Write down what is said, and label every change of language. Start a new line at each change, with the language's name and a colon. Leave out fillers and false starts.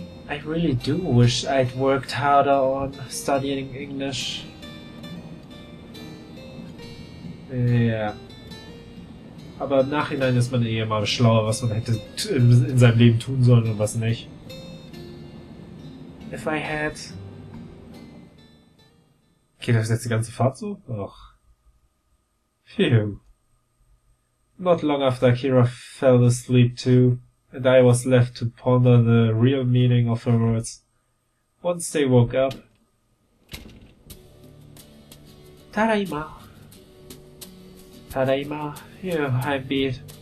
English: I really do wish I'd worked harder on studying English. Yeah.
German: Aber im Nachhinein ist man eh immer schlauer, was man hätte in seinem Leben tun sollen und was nicht.
English: If I had...
German: Okay, das ist jetzt die ganze Fahrt so? Och. Phew.
English: Not long after Akira fell asleep too, and I was left to ponder the real meaning of her words. Once they woke up...
Japanese: Tadaima. Tadaima.
English: You, I beat.